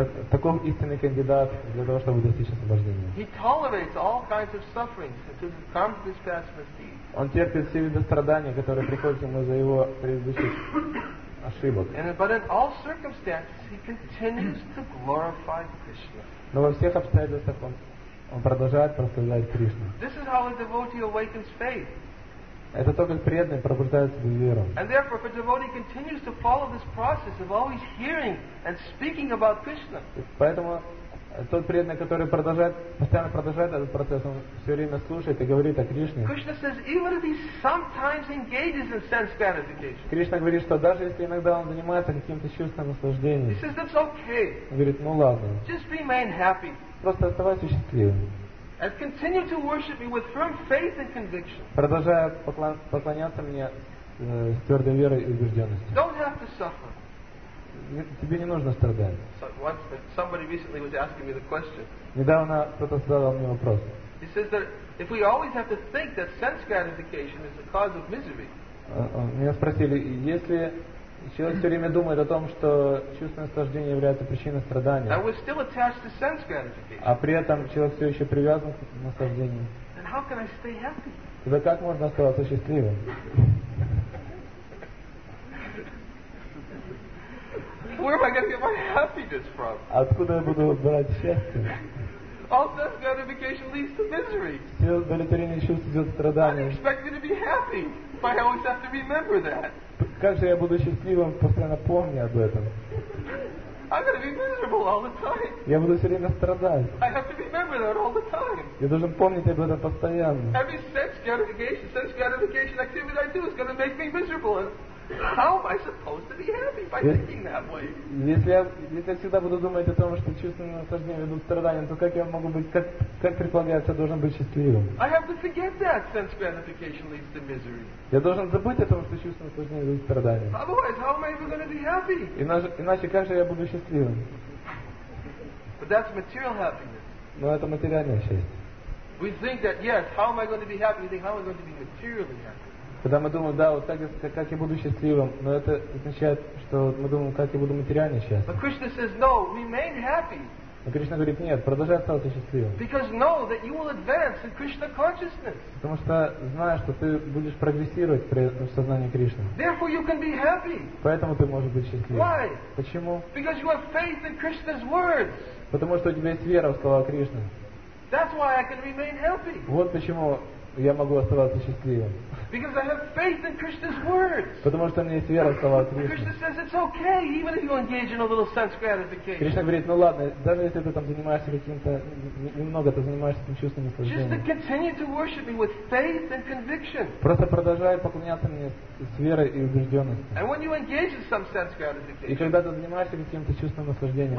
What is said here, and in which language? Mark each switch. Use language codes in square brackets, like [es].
[ru] Таков истинный кандидат для того, чтобы достичь освобождения. Он терпит все виды страдания, которые приходят ему за его предыдущие ошибок. [en] But in all circumstances, he continues to glorify Krishna. [ru] Но во всех обстоятельствах он продолжает прославлять Кришну. [en] This is how a devotee awakens faith. [ru] Это то, как преданный пробуждает свою веру. [en] And therefore, if a devotee continues to follow this process of always hearing and speaking about Krishna. [ru] Поэтому тот преданный, который постоянно продолжает этот процесс, он все время слушает и говорит о Кришне. [en] Krishna says, even if he sometimes engages in sense gratification. [ru] Кришна говорит, что даже если иногда он занимается каким-то чувственным наслаждением. [en] He says, that's okay. [ru] Он говорит, ну ладно. [en] Just remain happy. [ru] Просто оставайся счастливым. [en] And continue to worship me with firm faith and conviction. [ru] Продолжая поклоняться мне с твердой верой и убежденностью. [en] Don't have to suffer. [ru] Тебе не нужно страдать. [en] So once, somebody recently was asking me the question. [ru] Недавно кто-то задал мне вопрос. [en] He says that if we always have to think that sense gratification is the cause of misery. [ru] Меня спросили, если человек все время думает о том, что чувственное наслаждение является причиной страдания. [en] And we're still attached to sense gratification. [ru] А при этом человек все еще привязан к наслаждению. [en] Then how can I stay happy? [ru] Тогда как можно оставаться счастливым? [en] Where am I going to get my happiness from? [ru] Откуда я буду брать счастье? [en] All sense gratification leads to misery. [ru] Все удовлетворение чувств идет страдание. [en] I don't expect me to be happy, but I always have to remember that. [ru] Как же я буду счастливым, постоянно помня об этом? [en] I'm going to be miserable all the time. [ru] Я буду все время страдать. [en] I have to remember that all the time. [ru] Я должен помнить об этом постоянно. [en] Every sense gratification activity I do is going to make me miserable. How am I supposed to be happy by thinking that way? [ru] Если я всегда буду думать о том, что чувственные наслаждения ведут к страданиям, то как я могу быть, как предполагается, должен быть счастливым? [en] I have to forget that sense gratification leads to misery. [ru] Я должен забыть о том, что чувственные наслаждения ведут к страданиям. [en] Otherwise, how am I even going to be happy? [ru] Иначе как же я буду счастливым? [en] But that's material happiness. [ru] Но это материальное счастье. [en] We think that yes, how am I going to be happy? We think how am I going to be materially happy? [ru] Когда мы думаем, да, вот так, как я буду счастливым, но это означает, что мы думаем, как я буду материально счастлив. [en] But Krishna says, no, remain happy. [ru] Но Кришна говорит, нет, продолжай оставаться счастливым. [en] Because know that you will advance in Krishna consciousness. [ru] Потому что знаешь, что ты будешь прогрессировать при сознании Кришны. [en] Therefore you can be happy. [ru] Поэтому ты можешь быть счастливым. [en] Why? [ru] Почему? [en] Because you have faith in Krishna's words. [ru] Потому что у тебя есть вера в слова Кришны. [en] That's why I can remain happy. [ru] Вот почему я могу оставаться счастливым. [en] Because I have faith in Krishna's words. [ru] Потому что у меня есть вера в слова Кришны. [en] Krishna says it's okay, even if you engage in a little sense gratification. [ru] Кришна говорит, ну ладно, даже если ты там занимаешься каким-то немного, ты занимаешься этим чувственным наслаждением. [en] Just to continue to worship me with faith and conviction. [ru] Просто продолжай поклоняться мне с верой и убежденностью. [en] And when you engage in some sense gratification. [ru] И когда ты занимаешься каким-то чувственным наслаждением.